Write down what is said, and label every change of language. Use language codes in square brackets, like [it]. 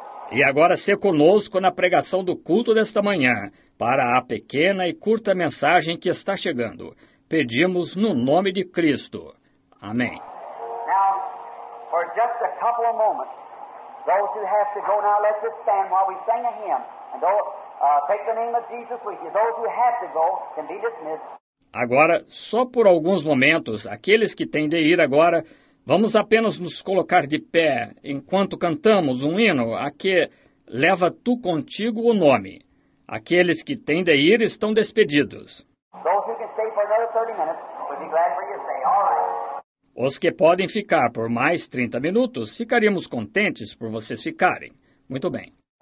[pt] E agora, se conosco na pregação do culto desta manhã, para a pequena e curta mensagem que está chegando. Pedimos no nome de Cristo. Amém. [en] Now, for just a couple of moments, those who have to go now, let's just stand while we sing a hymn. And take the name of Jesus with you. Those who have to go can be dismissed. [pt] Agora, só por alguns momentos, aqueles que têm de ir agora, vamos apenas nos colocar de pé enquanto cantamos um hino a que leva tu contigo o nome. Aqueles que têm de ir estão despedidos. [en] Those who can stay for another 30 minutes would be glad for you to stay. All right. [pt] Os que podem ficar por mais 30 minutos, ficaríamos contentes por vocês ficarem. Muito bem.